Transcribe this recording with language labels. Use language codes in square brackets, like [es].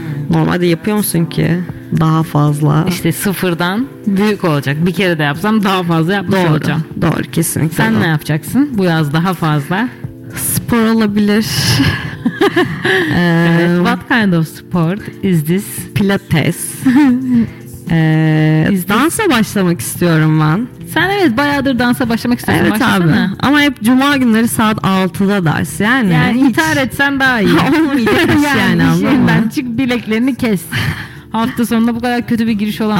[tr] Normalde yapıyor musun ki? Daha fazla. İşte sıfırdan büyük olacak. Bir kere de yapsam daha fazla yapmış doğru, olacağım. Doğru, kesinlikle. Sen doğru. Ne yapacaksın bu yaz daha fazla? Spor olabilir. Evet. [en] What kind of sport is this? [tr] Pilates. dansa başlamak istiyorum ben. Sen evet bayağıdır dansa başlamak istiyorsun. Evet başlasana. Abi. Ama hep cuma günleri saat 6'da ders. Yani hiç... intihar etsen daha iyi. Olmayacak iş yani. Şimdiden çık bileklerini kes. Hafta sonunda bu kadar kötü bir giriş olamaz.